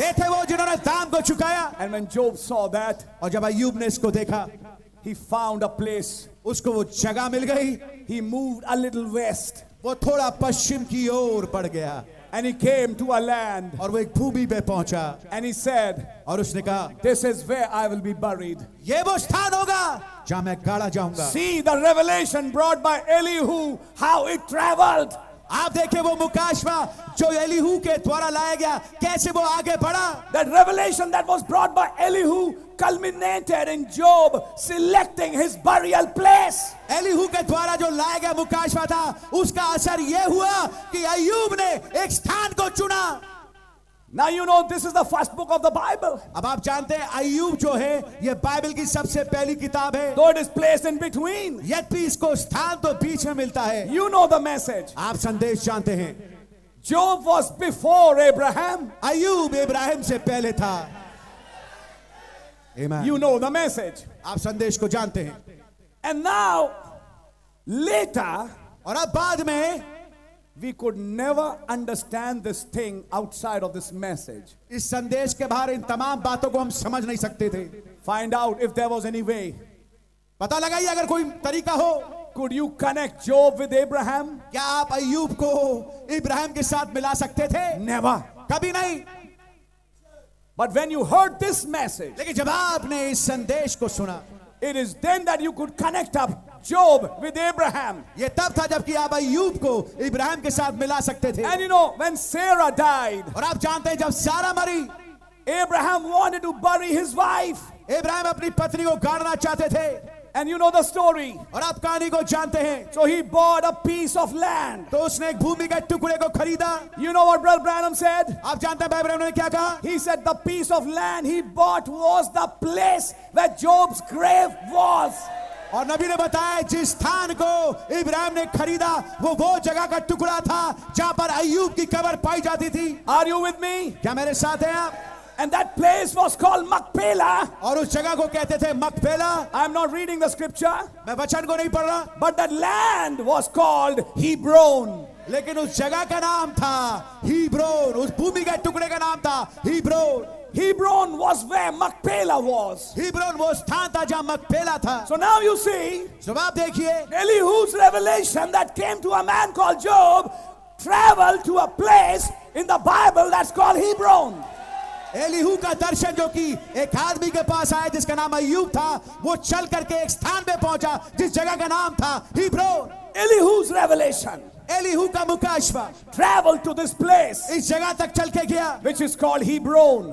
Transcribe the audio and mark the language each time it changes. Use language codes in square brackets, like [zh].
[hi] वे थे वो जिन्होंने दाम को चुकाया [en] and when Job saw that [hi] और जब अय्यूब ने इसको देखा [en] He found a place. [hi] उसको वो जगह मिल गई. [en] He moved a little west. [hi] वो थोड़ा पश्चिम की ओर बढ़ गया. [en] And he came to a land. [hi] और वो एक भूमि पे पहुंचा. [en] And he said. [hi] और उसने कहा. [en] This is where I will be buried. [hi] ये वो स्थान होगा. जहाँ मैं गाड़ा जाऊँगा. [en] See the revelation brought by Elihu. How it traveled. [hi] आप देखें वो मुकाशवा जो एलिहू के द्वारा लाया गया कैसे वो आगे बढ़ा [en] that revelation that was brought by Elihu culminated in Job selecting his burial place [hi] Elihu के द्वारा जो लाया गया मुकाशवा था उसका असर ये हुआ कि अय्यूब ने एक स्थान को चुना [en] Now you know this is the first book of the Bible. [hi] अब आप जानते हैं अय्यूब जो है ये बाइबल की सबसे पहली किताब है. [en] Though it is placed in between. [hi] यद भी इसको स्थान तो बीच में मिलता है. [en] You know the message. [hi] आप संदेश जानते हैं. [en] Job was before Abraham. [hi] अय्यूब इब्राहिम से पहले था. [en] Amen. You know the message. [hi] आप संदेश को जानते हैं. [en] And now, later. [hi] और अब बाद में. [en] We could never understand this thing outside of this message. [hi] इस संदेश के बाहर इन तमाम बातों को हम समझ नहीं सकते थे. [en] Find out if there was any way. [hi] पता लगाइए अगर कोई तरीका हो. [en] Could you connect Job with Abraham? [hi] क्या आप अय्यूब को इब्राहिम के साथ मिला सकते थे? [en] Never. [hi] कभी नहीं. [en] But when you heard this message. [hi] लेकिन जब आपने इस संदेश को सुना. [en] It is then that you could connect up. Job with Abraham. [hi] ये तब था जबकि आप अय्यूब को इब्राहिम के साथ मिला सकते थे. [en] And you know when Sarah died. [hi] और आप जानते हैं जब सारा मरी. [en] Abraham wanted to bury his wife. [hi] Ibrahim अपनी पत्नी को गाड़ना चाहते थे. [en] And you know the story. [hi] और आप कहानी को जानते हैं. [en] So he bought a piece of land. [hi] तो उसने एक भूमि के टुकड़े को खरीदा. [en] You know what Brother Branham said? [hi] आप जानते हैं भाई ब्रैनम ने क्या कहा? [en] He said the piece of land he bought was the place where Job's grave was. [hi] और नबी ने बताया जिस स्थान को इब्राहिम ने खरीदा वो जगह का टुकड़ा था जहां पर अय्यूब की कब्र पाई जाती थी [en] are you with me [hi] क्या मेरे साथ हैं आप [en] and that place was called Machpelah [hi] और उस जगह को कहते थे Machpelah [en] I am not reading the scripture [hi] मैं वचन को नहीं पढ़ रहा [en] but that land was called Hebron [hi] लेकिन उस जगह का नाम था हीब्रोन उस भूमि के टुकड़े का नाम था हीब्रोन [en] Hebron was where Machpelah was. Hebron was [hi] स्थान था जहाँ मकपेला था. [en] So now you see. [hi] जब आप देखिए. [en] Elihu's revelation that came to a man called Job traveled to a place in the Bible that's called Hebron. [hi] Elihu का दर्शन जो कि एक आदमी के पास आया जिसका नाम अय्यूब था वो चल करके एक स्थान पे पहुंचा जिस जगह का नाम था Hebron. [en] Elihu's revelation. [hi] Elihu का मुकाशवा [en] travel to this place [hi] इस जगह तक चल के गया [en] which is called Hebron